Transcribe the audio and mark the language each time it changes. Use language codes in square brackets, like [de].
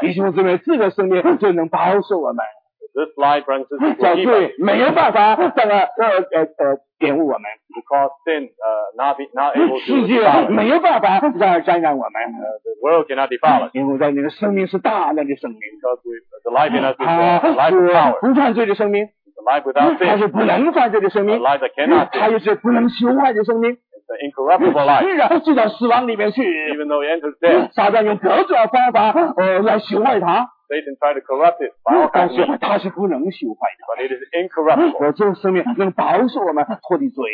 [zh] 弟兄姊妹，这个生命就能保守我们。 [en] This life, friends, is a gift. [zh] 没有办法这个玷污我们。 [en] Because sin, not able to. [zh] 世界没有办法让沾染我们。 [en] The world cannot defile us. [zh] 因为在你的生命是大量的生命。 [en] Because the life in us is life power. [zh] 不犯罪的生命。 [en] The life without sin. [zh] 它是不能犯罪的生命。 [en] A life that cannot sin. [zh] 它也是不能朽坏的生命。 [en] Incorruptible life. [zh] 是啊，就到死亡里面去。 [en] Even though he enters death. [zh] 撒旦用各种方法来朽坏它。 [en] Satan tried to corrupt it by all kinds of means. [zh] 但是它是不能朽坏的。 [en] But it is incorruptible. [zh] 我这个生命能保守我们脱离罪。